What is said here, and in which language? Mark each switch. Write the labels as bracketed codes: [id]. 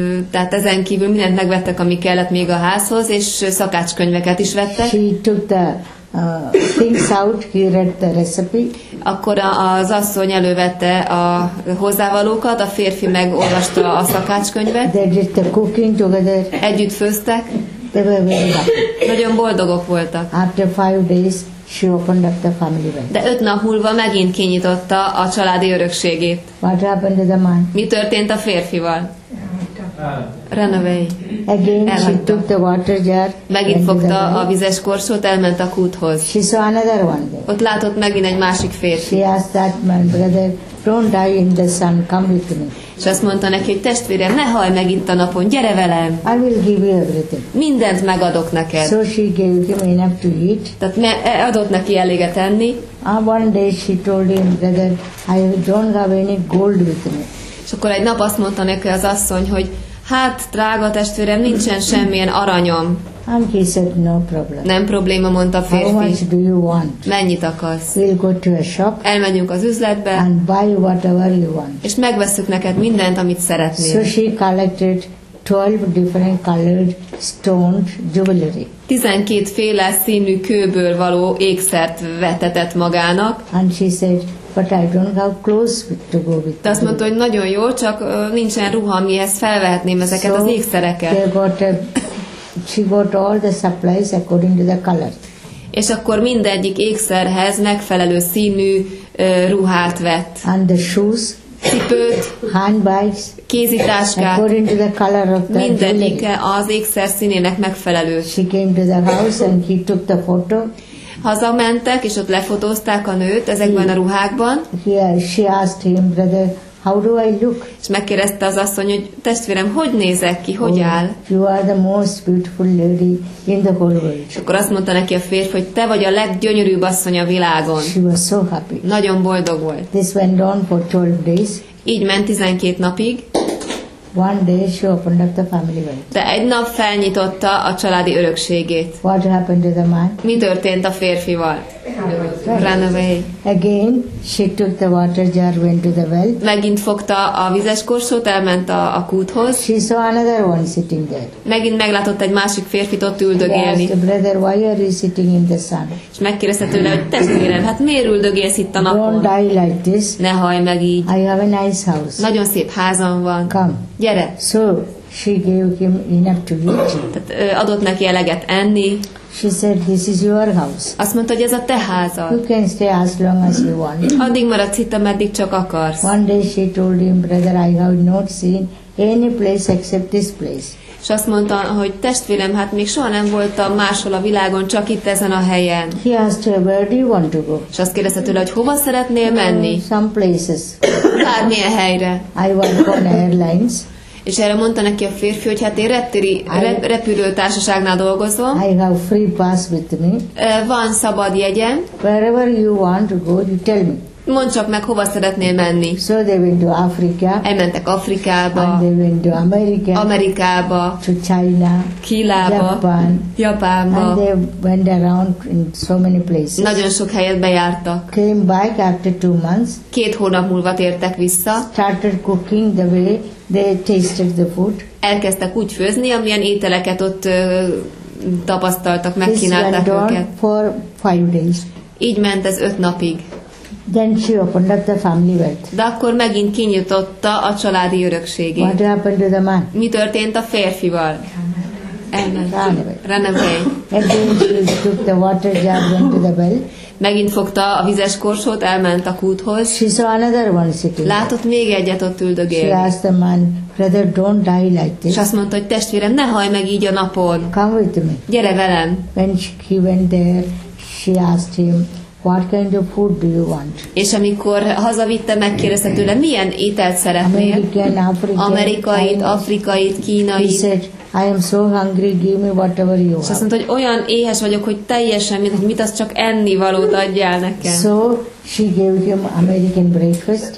[hu] Tehát ezen kívül mindent megvettek, ami kellett még a házhoz, és szakácskönyveket is vettek. [en] She took the things out, he read the recipe. [hu] Akkor az asszony elővette a hozzávalókat, a férfi megolvasta a szakácskönyvet. [en] They did the cooking together. [hu] Együtt főztek. [en] They were very happy. [hu] Nagyon boldogok voltak. [en] After 5 days, she opened up the family well. [hu] De 5 nap múlva megint kinyitotta a családi örökségét. [en] What happened to the man? [hu] Mi történt a férfival? [en] Run away. Again, she took the water jar. [hu] Megint fogta a vizes korsót, elment a kúthoz. [en] She saw another one there. [hu] Ott látott megint egy másik férfi. [en] She asked that man, brother, don't die in the sun, come with me. [hu] És azt mondta neki, hogy testvérem, ne halj meg itt a napon, gyere velem. [en] I will give you everything. [hu] Mindent megadok neked. [en] So she gave him enough to eat. [hu] Tehát adott neki eléget enni. [en] One day she told him, brother, I don't have any gold with me. [hu] És akkor egy nap azt mondta neki az asszony, hogy hát, drága testvérem, nincsen semmilyen aranyom. [en] And he said, no problem. [hu] Nem probléma, mondta férfi. [en] How much do you want? [hu] Mennyit akarsz? [en] We'll go to a shop. [hu] Elmegyünk az üzletbe. [en] And buy whatever you want. [hu] És megveszük neked mindent, amit szeretnél. [en] So she collected 12 different colored stone jewelry. [hu] 12 féle színű kőből való ékszert vetetett magának. [en] And she said, but I don't have clothes to go with. [hu] De azt mondta, hogy nagyon jó, csak nincsen ruha, amihez felvehetném ezeket [en] so [hu] az ékszereket. [en] She got all the supplies according to the color. [hu] És akkor mindegyik ékszerhez megfelelő színű ruhát vett. [en] And the shoes. [hu] Cipőt, [en] handbags, [hu] kézitáskát, [en] according to the color of the [hu] mindenike az ékszer színének megfelelő. [en] She came to the house and he took the photo. [hu] Hazamentek, és ott lefotózták a nőt ezekben a ruhákban. [en] She asked him, brother, how do I look? [hu] És megkérdezte az asszony, hogy testvérem, hogy nézek ki, hogy áll? [en] You are the most beautiful lady in the whole world. [hu] És akkor azt mondta neki a férfi, hogy te vagy a leggyönyörűbb asszony a világon. [en] She was so happy. [hu] Nagyon boldog volt. [en] This went on for 12 days. [hu] Így ment 12 napig. [en] One day she opened up the family wealth. [hu] De egy nap felnyitotta a családi örökségét. [en] What happened to the man? [hu] Mi történt a férfival? [en] Ran away. Again, she took the water jar, went to the well. [hu] Megint fogta a vizes korsót, elment a kúthoz. [en] She saw another one sitting there. [hu] Megint meglátott egy másik férfit ott üldögélni. [en] Yes, brother, why are you sitting in the sun? [hu] És megkérdezte tőle, hogy testvérem, hát miért üldögélsz itt a napon? [en] Don't die like this. [hu] Ne halj meg így. [en] I have a nice house. [hu] Nagyon szép házam van. [en] Come. [hu] Gyere. [en] So, she gave him enough to eat. [hu] Tehát adott neki eleget enni. [en] She said, "This is your house." [hu] Azt mondta, hogy ez a te házad. [en] You can stay as long as you want. [hu] Addig maradsz itt, ameddig csak akarsz. [en] One day she told him, "Brother, I have not seen any place except this place." [hu] És azt mondta, hogy testvérem, hát még soha nem voltam máshol a világon, csak itt ezen a helyen. [en] He asked her, "Where do you want to go?" [hu] És azt kérdezte tőle, hogy hova szeretnél menni? [en] Some places. [hu] Bármilyen helyre. [en] I want to go on airlines. [hu] És erre mondta neki a férfi, hogy hát én repülőtársaságnál dolgozom. [en] I have free pass with me. [hu] Van szabad jegyem. [en] Wherever you want to go, you tell me. [hu] Mondd csak meg, hova szeretnél menni. [en] So they went to Africa. [hu] Elmentek Afrikába. [en] And they went to America. [hu] Amerikába. [en] To China. [hu] Kínába. [en] Japan. [hu] Japánba. [en] And they went around in so many places. [hu] Nagyon sok helyet bejártak. [en] Came back after 2 months. [hu] Két hónap múlva tértek vissza. [en] Started cooking the way they tasted the food. [hu] Elkezdtek úgy főzni, amilyen ételeket ott tapasztaltak, megkínálták őket. [en] For 5 days. [hu] Így ment ez 5 napig. [en] Then she opened up the family wealth. [hu] De akkor megint kinyitotta a családi örökségét. [en] What happened to the man? [hu] Mi történt a férfival? [en] Ran away. Again she took the water jar, went to the well. [hu] Megint fogta a vizes korsót, elment a kúthoz. [en] She saw another one sitting. [hu] Látott még egyet ott üldögélni. [en] She asked the man, brother, don't die like this. [hu] És azt mondta, hogy testvérem, ne halj meg így a napon. [en] Come with me. [hu] Gyere velem. [en] When he went there, she asked him, what kind of food do you want? [hu] És amikor hazavitte, megkérdezte tőle, milyen ételt szeretnél? [en] American, African, [hu] amerikait, afrikait, kínait. [en] He said, I am so hungry, give me whatever you want. [hu] És azt mondta, hogy olyan éhes vagyok, hogy teljesen, mint hogy mit az csak ennivalót adjál nekem. [en] So, she gave him American breakfast.